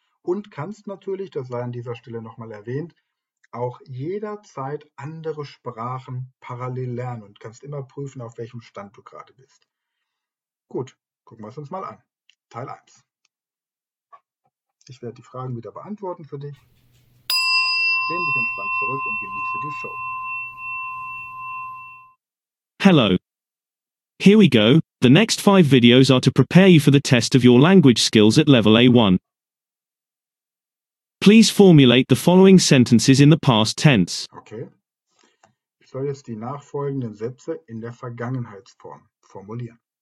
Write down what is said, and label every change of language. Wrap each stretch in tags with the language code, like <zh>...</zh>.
<de>Und kannst natürlich, das sei an dieser Stelle nochmal erwähnt, auch jederzeit andere Sprachen parallel lernen und kannst immer prüfen, auf welchem Stand du gerade bist. Gut, gucken wir es uns mal an. Teil 1. Ich werde die Fragen wieder beantworten für dich. Lehn dich entspannt zurück und genieße die Show.</de> <en>Hello. Here we go. The next 5 videos are to prepare you for the test of your language skills at level A1. Please formulate the following sentences in the past tense. Okay.</en> <de>soll jetzt die nachfolgenden Sätze in der Vergangenheitsform formulieren.</de>